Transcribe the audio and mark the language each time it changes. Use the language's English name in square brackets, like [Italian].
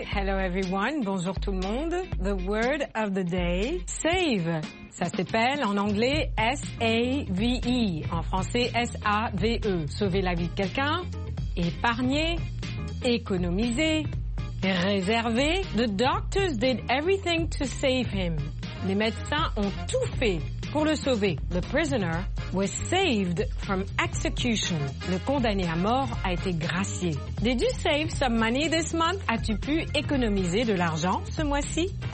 [English] Hello, everyone. [French] Bonjour, tout le monde. [English] The word of the day, save. [French] Ça s'appelle en anglais S-A-V-E. En français, S-A-V-E. Sauver la vie de quelqu'un, épargner, économiser, réserver. [English] The doctors did everything to save him. [French] Les médecins ont tout fait. Pour le sauver, [English] the prisoner was saved from execution. [French] Le condamné à mort a été gracié. [English] Did you save some money this month? [French] As-tu pu économiser de l'argent ce mois-ci?